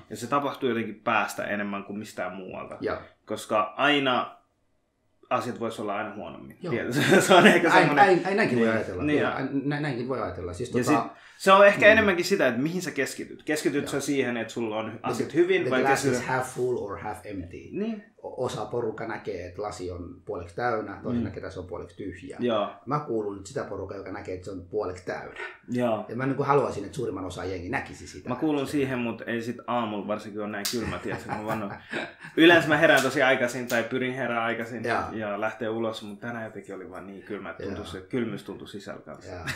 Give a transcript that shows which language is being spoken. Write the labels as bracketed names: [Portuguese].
[Finnish] Ja se tapahtuu jotenkin päästä enemmän kuin mistään muualta. Ja. Koska aina asiat voisi olla aina huonommin. Se on ehkä semmoinen. Näinkin voi ajatella. Niin, näinkin voi ajatella. Siis, se on ehkä enemmänkin sitä, että mihin sä keskityt. Keskitytkö sä siihen, että sulla on asiat hyvin? [English] The glass is half full or half empty. [Finnish] Niin. Osa porukka näkee, että lasi on puoleksi täynnä, toinen näkee, että se on puoleksi tyhjä. Joo. Mä kuulun nyt sitä porukkaa, joka näkee, että se on puoleksi täynnä. Joo. Ja mä niin kuin haluaisin, että suurimman osa jengi näkisi sitä. Mä kuulun siihen, mutta ei sit aamulla, varsinkin on näin kylmä. Yleensä mä herään tosi aikaisin tai pyrin herään aikaisin ja lähtee ulos, mutta tänään jotenkin oli vaan niin kylmä, että kylmys tuntui sisällä kanssa.